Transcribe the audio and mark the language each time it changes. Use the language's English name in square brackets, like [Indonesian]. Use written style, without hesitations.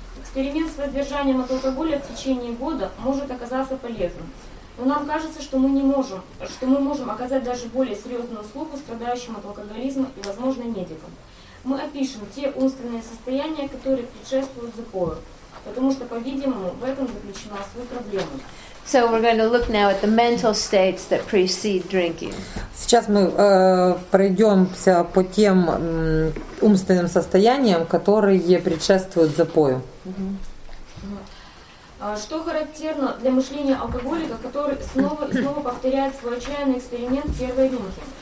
[Russian] Эксперимент с воздержанием от алкоголя в течение года может оказаться полезным. Но нам кажется, что мы не можем, что мы можем оказать даже более серьезную услугу страдающим от алкоголизма и, возможно, медикам. Мы опишем те умственные состояния, которые предшествуют запою, потому что, по-видимому, в этом заключена суть проблемы. [English] So we're going to look now at the mental states that precede drinking. [Russian] Сейчас мы пройдемся по тем умственным состояниям, которые предшествуют запою. Что характерно для мышления алкоголика, который снова и снова повторяет свой отчаянный эксперимент первой рюмки?